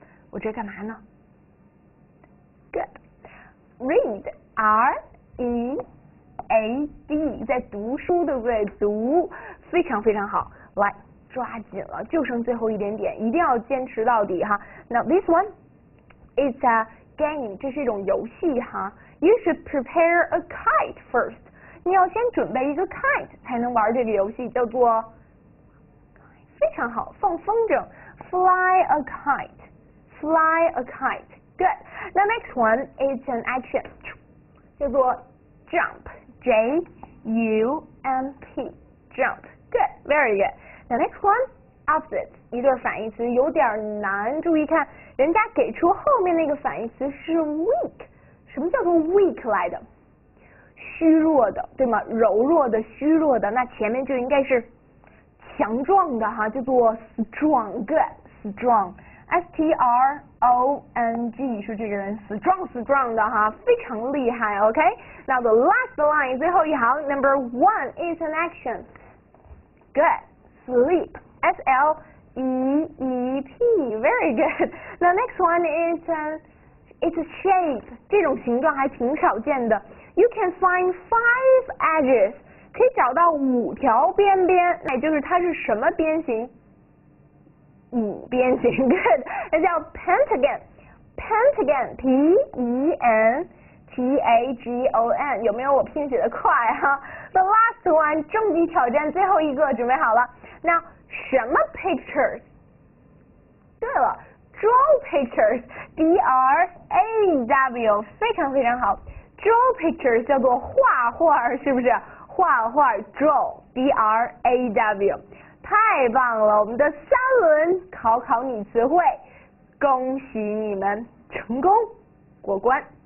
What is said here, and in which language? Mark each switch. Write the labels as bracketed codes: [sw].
[zh] 我这干嘛呢 ？Good, read, R E A D， 在读书对不对？读非常非常好，来抓紧了，就剩最后一点点，一定要坚持到底哈。 [en] Now this one is a game， [zh] 这是一种游戏哈。 [en] You should prepare a kite first， [zh] 你要先准备一个 kite 才能玩这个游戏，叫做。非常好，放风筝 ， [en] fly a kite，fly a kite， [zh] good。那 [en] next one is an action， [zh] 叫做 jump，J U M P，jump，good，very good。那 next one opposite， 一对反义词，有点难，注意看，人家给出后面那个反义词是 weak， 什么叫做 weak 来的？虚弱的，对吗？柔弱的，虚弱的，那前面就应该是。强壮的哈，叫做 strong， good， strong， S T R O N G， 是这个人 strong， strong 的哈，非常厉害， OK。 [en] Now the last line， [zh] 最后一行， [en] number one is an action， good， sleep， S L E E P， very good。 Now next one is an， it's a shape， [zh] 这种形状还挺少见的。 [en] You can find five edges。 [zh] 可以找到五条边边，那就是它是什么边形？五边形 ，good， 那叫 pentagon，pentagon，p e n t a g o n， 有没有我拼写的快哈 ？ [en] The last one， [zh] 终极挑战，最后一个，准备好了。那什么 pictures？对了 ， [en] draw pictures， [zh] d r a w， 非常非常好 ，draw pictures 叫做画画，是不是？画画 draw d r a w， 太棒了！我们的三轮考考你词汇，恭喜你们成功过关。